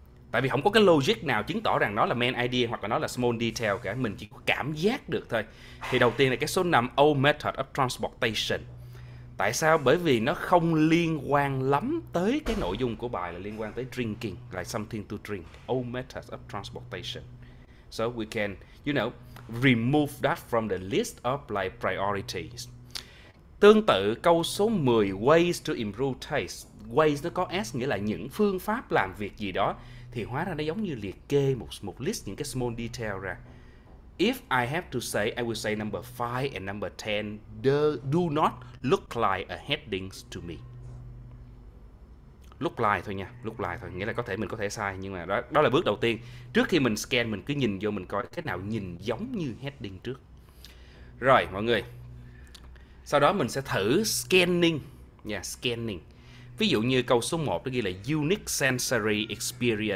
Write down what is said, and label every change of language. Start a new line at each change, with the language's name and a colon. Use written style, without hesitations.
Vietnamese: Tại vì không có cái logic nào chứng tỏ rằng nó là main idea hoặc là nó là small detail cả. Mình chỉ có cảm giác được thôi. Thì đầu tiên là cái số 5,
English: old method of transportation.
Vietnamese: Tại sao? Bởi vì nó không liên quan lắm tới cái nội dung của bài là liên quan tới drinking.
English: Like something to drink. Old method of transportation. So we can, you know, remove that from the list of like priorities.
Vietnamese: Tương tự câu số 10,
English: ways to improve taste.
Vietnamese: Ways nó có S nghĩa là những phương pháp làm việc gì đó. Thì hóa ra nó giống như liệt kê một list những cái small detail ra.
English: If I have to say, I will say number 5 and number 10 do not look like a heading to me.
Vietnamese: Look like thôi nha, look like thôi. Nghĩa là có thể mình có thể sai, nhưng mà đó là bước đầu tiên. Trước khi mình scan, mình cứ nhìn vô mình coi cái nào nhìn giống như heading trước. Rồi mọi người, sau đó mình sẽ thử scanning nha, scanning. Ví dụ như câu số 1 nó ghi là
English: unique sensory experience.